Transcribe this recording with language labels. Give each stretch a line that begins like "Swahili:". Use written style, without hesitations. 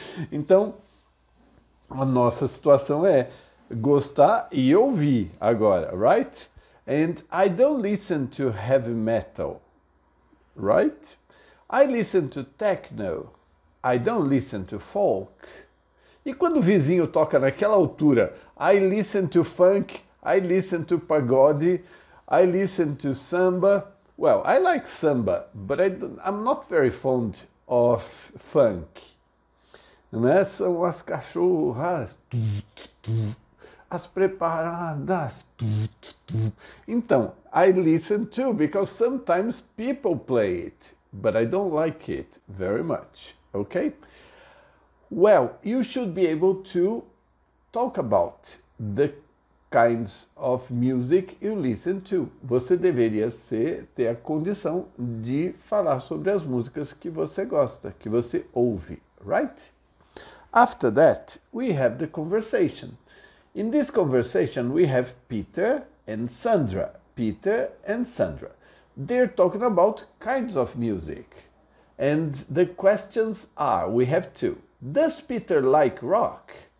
Portuguese: Então, a nossa situação é gostar e ouvir agora, right?
English: And I don't listen to heavy metal, right? I listen to techno. I don't listen to folk.
Portuguese: E quando o vizinho toca naquela altura,
English: I listen to funk. I listen to pagode, I listen to samba. Well, I like samba, but I'm not very fond of funk. Né?
Portuguese: São as cachorras, as preparadas.
English: Então, I listen to because sometimes people play it, but I don't like it very much. Okay? Well, you should be able to talk about the kinds of music you listen to.
Portuguese: Você deveria ter a condição de falar sobre as músicas que você gosta, que você ouve, right?
English: After that, we have the conversation. In this conversation, we have Peter and Sandra. Peter and Sandra. They're talking about kinds of music. And the questions are, we have two. Does Peter like rock?